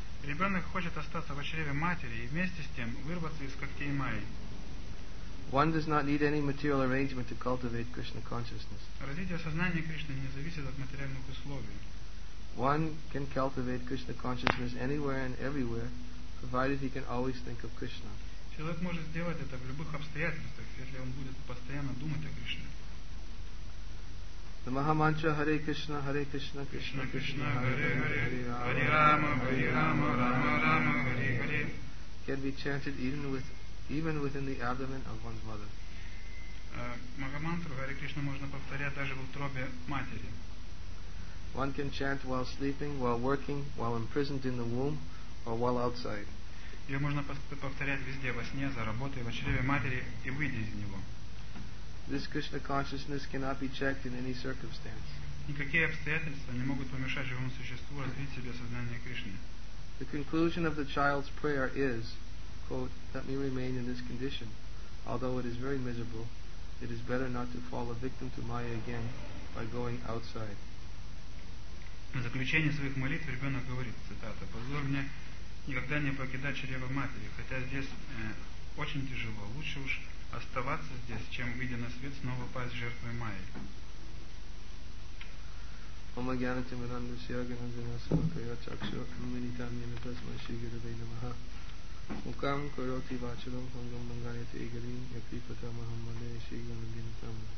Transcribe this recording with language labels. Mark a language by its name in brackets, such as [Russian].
[Russian] Ребенок хочет остаться в чреве матери и вместе с тем вырваться из когтей Майи. [English] One does not need any material arrangement to cultivate Krishna consciousness. [Russian] Развитие сознания Кришны не зависит от материальных условий. [English] One can cultivate Krishna consciousness anywhere and everywhere, provided he can always think of Krishna. [Russian] Человек может сделать это в любых обстоятельствах, если он будет постоянно думать о Кришне. [English] The Mahamantra Hare Krishna, Hare Krishna, Krishna Krishna, Hare Hare, Hare Rama, Hare Rama, Rama Rama, Hare Hare, can be chanted even within the abdomen of one's mother. [Russian] Mahamantra Hare Krishna можно повторять даже в утробе матери. [English] One can chant while sleeping, while working, while imprisoned in the womb, or while outside. [Russian] Ее можно повторять везде, во сне, за работой, в чреве матери и выйдя из него. [English] This Krishna consciousness cannot be checked in any circumstance. [Russian] Никакие обстоятельства не могут помешать живому существу развить себе сознание Кришны. [English] The conclusion of the child's prayer is, quote, "Let me remain in this condition, although it is very miserable. It is better not to fall a victim to Maya again by going outside." [Russian] В заключение своих молитв ребенок говорит, цитата: "Позволь мне никогда не покидать чрево матери, хотя здесь очень тяжело. Лучше уж оставаться здесь, чем, выйдя на свет, снова пасть жертвой Майи." Омагянати Миранда Сиаганандана Сакая Чакшу Аммидитамни Натасма Шигарадай Намаха Мукам Короти Вачалам Хангам Мангайя Тейгарин Якрипата Махаммаде Шигарадина Тамма.